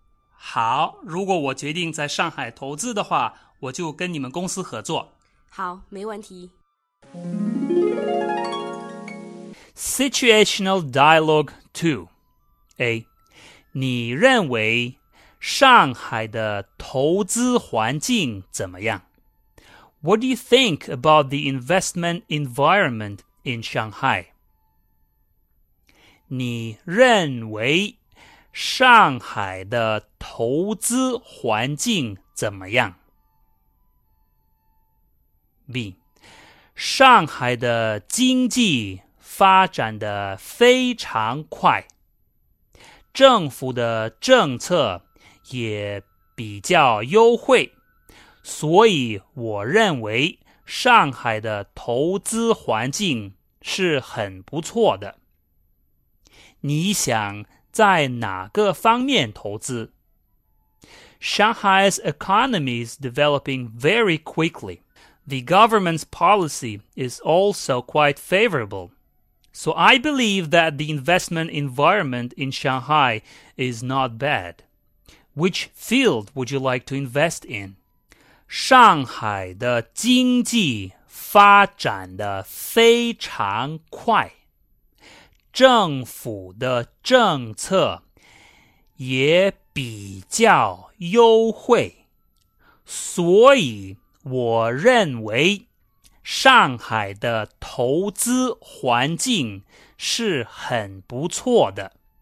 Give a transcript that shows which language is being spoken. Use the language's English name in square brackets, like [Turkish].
[Chinese] 好，如果我决定在上海投资的话，我就跟你们公司合作。好，没问题。 [English] Situational Dialogue 2 A. [Chinese] 你认为上海的投资环境怎么样？ [English] What do you think about the investment environment in Shanghai? [Chinese] 你认为上海的投资环境怎么样？ [English] B. [Chinese] 上海的经济发展得非常快，政府的政策也比较优惠，所以我认为上海的投资环境是很不错的。你想在哪个方面投资？ [English] Shanghai's economy is developing very quickly. The government's policy is also quite favorable. So I believe that the investment environment in Shanghai is not bad. Which field would you like to invest in? [Chinese] 上海的经济发展得非常快，政府的政策也比较优惠，所以我认为上海的投资环境是很不错的。